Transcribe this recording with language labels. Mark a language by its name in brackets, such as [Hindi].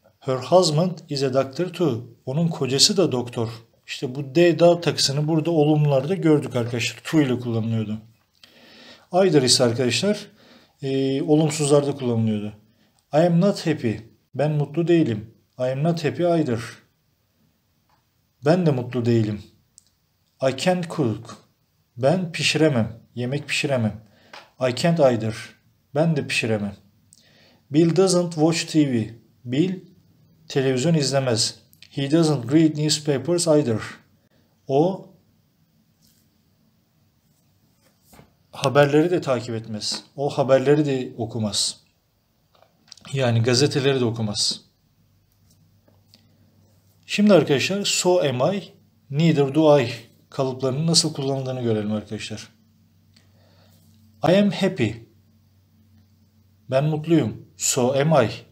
[English] Her husband is a doctor too. [Turkish] Onun kocası da doktor. İşte bu de da takısını burada olumlarda gördük arkadaşlar. To ile kullanılıyordu. Either ise arkadaşlar olumsuzlarda kullanılıyordu. [English] I am not happy. [Turkish] Ben mutlu değilim. [English] I am not happy either. [Turkish] Ben de mutlu değilim. [English] I can't cook. [Turkish] Ben pişiremem. Yemek pişiremem. [English] I can't either. [Turkish] Ben de pişiremem. [English] Bill doesn't watch TV. [Turkish] Bill televizyon izlemez. [English] He doesn't read newspapers either. [Turkish] O haberleri de takip etmez. O haberleri de okumaz. Yani gazeteleri de okumaz. Şimdi arkadaşlar so am I, neither do I kalıplarının nasıl kullanıldığını görelim arkadaşlar. [English] I am happy. [Turkish] Ben mutluyum. [English] So am I.